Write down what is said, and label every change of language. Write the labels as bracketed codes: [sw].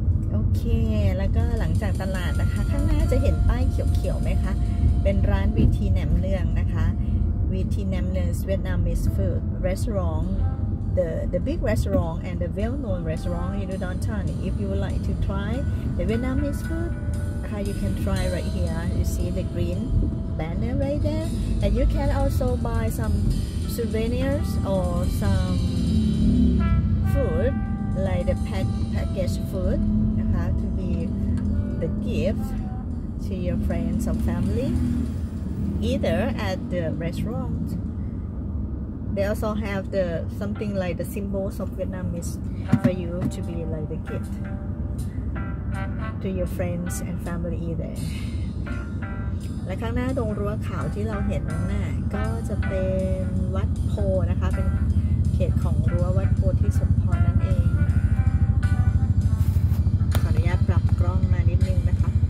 [th] โอเคแล้วก็หลังจากตลาดนะคะข้างหน้าจะเห็นป้ายเขียวๆไหมคะเป็นร้านวีทีแหนมเนืองนะคะวีทีแหนมเนืองเวียดนามมิสฟู้ดร้านอาหาร [en] the big restaurant and the well known restaurant in Udon Thani if you would like to try the Vietnamese foodYou can try right here. You see the green banner right there, and you can also buy some souvenirs or some food, like the packaged food, to be the gift to your friends or family. Either at the restaurant, they also have the something like the symbols of Vietnamese for you to be like the gift. To your friends and family either. [th] และข้างหน้าตรงรั้วขาวที่เราเห็นข้างหน้าก็จะเป็นวัดโพนะคะเป็นเขตของรั้ววัดโพที่สมพรนั่นเองขออนุญาตปรับกล้องมานิดนึงนะคะ